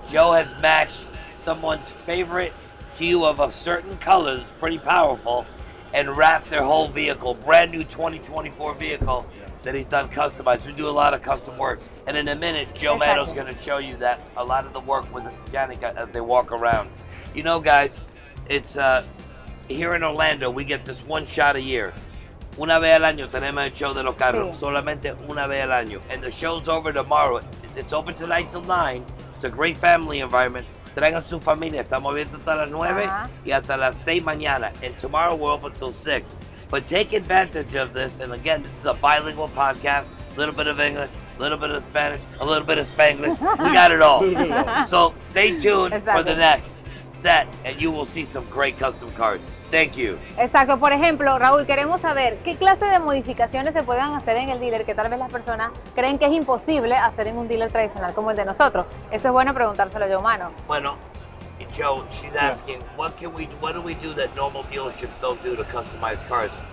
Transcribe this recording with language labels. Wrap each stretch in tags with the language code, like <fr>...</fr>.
<en>Joe has matched someone's favorite hue of a certain color that's pretty powerful and wrap their whole vehicle, brand new 2024 vehicle that he's done customized. We do a lot of custom work. And in a minute, Joe Mano's gonna show you that, a lot of the work with Janica as they walk around. You know, guys, it's here in Orlando, we get this one shot a year.</en> <es>Una vez al año tenemos el show de los carros, solamente una vez al año.</es> <en>And the show's over tomorrow. It's open tonight till 9. It's a great family environment.</en> <es>Traigan su familia. Estamos abiertos hasta las 9 y hasta las 6 mañana.</es> <en>And tomorrow we're open until 6. But take advantage of this. And again, this is a bilingual podcast. A little bit of English, a little bit of Spanish, a little bit of Spanglish. We got it all. So stay tuned for the next set and you will see some great custom cars. Thank you.</en> <es>Exacto. Por ejemplo, Raúl, queremos saber qué clase de modificaciones se pueden hacer en el dealer que tal vez las personas creen que es imposible hacer en un dealer tradicional como el de nosotros. Eso es bueno preguntárselo yo, Mano.</es> <en>Bueno, Joe, she's asking, what do we do that normal dealerships don't do to customize cars?</en>